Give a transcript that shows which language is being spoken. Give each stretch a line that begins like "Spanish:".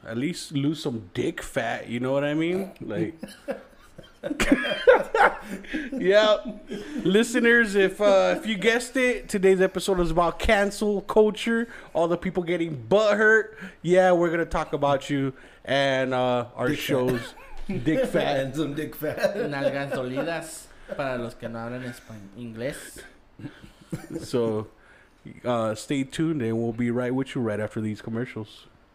English: At least lose some dick fat. You know what I mean? Like. Yep. Listeners, if you guessed it, today's episode is about cancel culture. All the people getting butthurt. Yeah, we're going to talk about you and our dick shows. Fat. Dick fat. And some dick fat.
Spanish: Nalgas dolidas para los que no hablan español inglés.
English: So stay tuned and we'll be right with you right after these commercials.